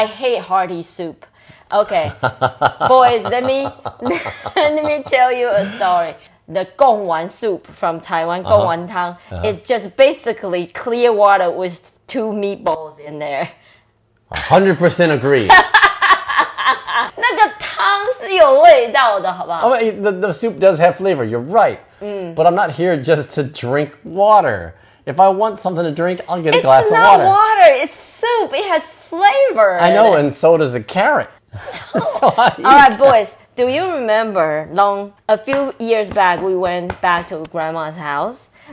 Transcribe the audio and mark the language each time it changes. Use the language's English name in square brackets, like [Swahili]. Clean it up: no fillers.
[English] I hate hearty soup. Okay. Boys, let me tell you a story. The Gong Wan soup from Taiwan, Gong Wan Tang, is just basically clear water with two meatballs in there. 100% agree. [Chinese] 那个汤是有味道的，好不好 [English] I mean, the soup does have flavor, you're right. But I'm not here just to drink water. If I want something to drink, I'll get a glass of water. It's not water, it's soup, it has flavor. I know, and so does a carrot. So All right, boys, do you remember a few years back we went back to grandma's house?